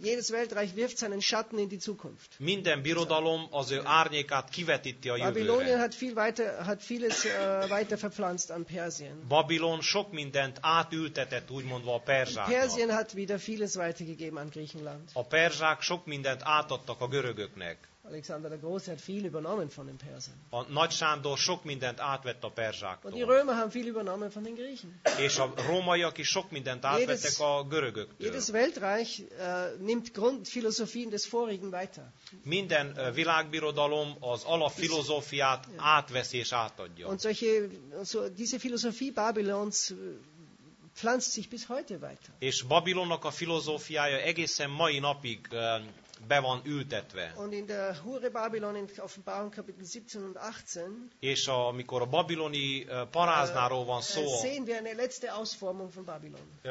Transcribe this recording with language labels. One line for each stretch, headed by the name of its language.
German: Jedes Weltreich wirft seinen Schatten in die Zukunft.
Hungarian: Minden birodalom az ő árnyékát kivetíti a jövőre.
German: Babylonien hat vieles weiter verpflanzt an Persien.
Hungarian: Babylon sok mindent átültetett, úgymondva a perzsáknak.
German: Persien hat wieder vieles weitergegeben an Griechenland.
Hungarian: A perzsák sok mindent átadtak a görögöknek.
German: Alexander der Große hat viel übernommen von den Persern.
Hungarian: A Nagy Sándor sok mindent átvett a perzsáktól.
German: Und die Römer haben viel übernommen von den Griechen.
Hungarian: És a rómaiak is sok mindent átvettek a görögöktől.
German: Jedes Weltreich nimmt Grundphilosophien des vorigen weiter.
Hungarian: Minden világbirodalom az alapfilozófiát átveszi és átadja.
German: Und solche, so diese Philosophie Babylons pflanzt sich bis heute weiter.
Hungarian: És Babilonnak a filozófiája egészen mai napig be van ültetve.
German: Und in der Hure Babylon in Offenbarung Kapitel 17 und 18.
Hungarian: És amikor a babiloni paráznáról van szó.
German: Sehen wir eine letzte Ausformung von Babylon.